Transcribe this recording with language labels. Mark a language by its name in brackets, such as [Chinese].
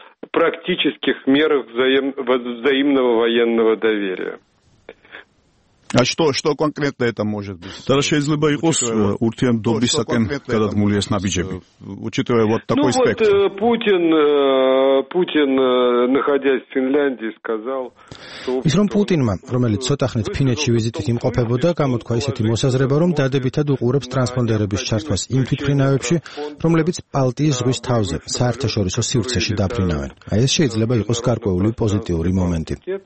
[Russian] Практических мерах взаимного военного доверия. А что конкретно это может быть? [Georgian] Тара შეიძლება იყოს ურთიერთობისაკენ გადადგმული ეს ნაბიჯები, [Russian] учитывая вот такой спектр. Ну вот Путин, находясь в Финляндии, сказал, [Georgian] что ის რომ პუტინმა, რომელიც ცოტა ხნით ფინეთში ვიზიტით იმყოფებოდა, გამოთქვა ისეთი მოსაზრება, რომ დადებითად უყურებს ტრანსპონდერების ჩართვას იმ თვითფრინავებში, რომლებიც ბალტიის ზღვის თავზე, საერთაშორისო სივრცეში დაფრინავენ. აი ეს შეიძლება იყოს გარკვეული პოზიტიური მომენტი.